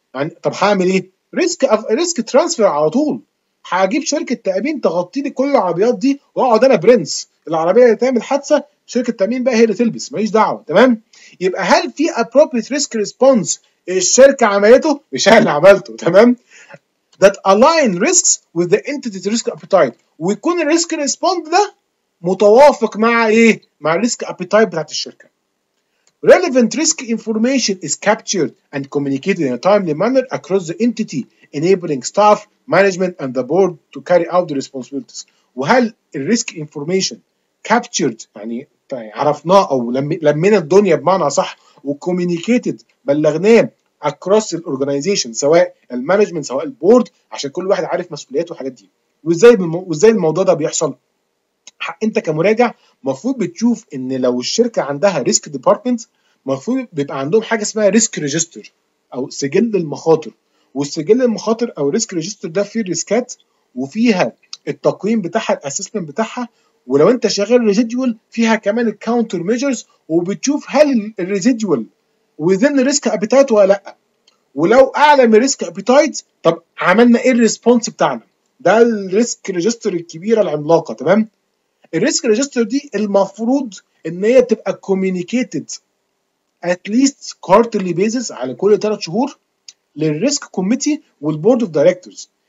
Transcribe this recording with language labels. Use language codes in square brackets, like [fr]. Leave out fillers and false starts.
[ar] يعني طب هعمل ايه؟ ريسك ترانسفير على طول، هجيب شركه تامين تغطي لي كل العربيات دي واقعد انا برنس، العربيه اللي تعمل حادثه شركه التامين بقى هي اللي تلبس، ماليش دعوه، تمام؟ يبقى هل في appropriate risk response الشركه عملته؟ مش انا اللي عملته، تمام؟ [en] that align risks with the entity's risk appetite، [ar] ويكون الريسك ريسبوند ده متوافق مع ايه؟ مع الريسك ابيتايت بتاعت الشركه. [en] relevant risk information is captured and communicated in a timely manner across the entity enabling staff management and the board to carry out the responsibilities. [ar] وهل الريسك انفورميشن captured، يعني عرفناه او لمينا الدنيا بمعنى صح، وcommunicated بلغناه across the organization سواء المانجمنت سواء البورد عشان كل واحد عارف مسؤولياته والحاجات دي، وازاي الموضوع ده بيحصل؟ انت كمراجع مفروض بتشوف ان لو الشركه عندها ريسك ديبارتمنت مفروض بيبقى عندهم حاجه اسمها ريسك ريجستر او سجل المخاطر، والسجل المخاطر او ريسك ريجستر ده فيه ريسكات وفيها التقييم بتاعها الاسسمنت بتاعها، ولو انت شغال ريزيديوال فيها كمان الكاونتر ميجرز، وبتشوف هل الريزيديوال [en] within risk appetite [ar] ولا لا. ولو اعلى من risk appetite طب عملنا ايه الريسبونس بتاعنا؟ ده الريسك ريجستر الكبيره العملاقه. تمام، الريسك ريجستر دي المفروض ان هي تبقى كوميونيكيتد at least quarterly basis على كل 3 شهور للريسك كوميتي والبورد اوف دايركتورز.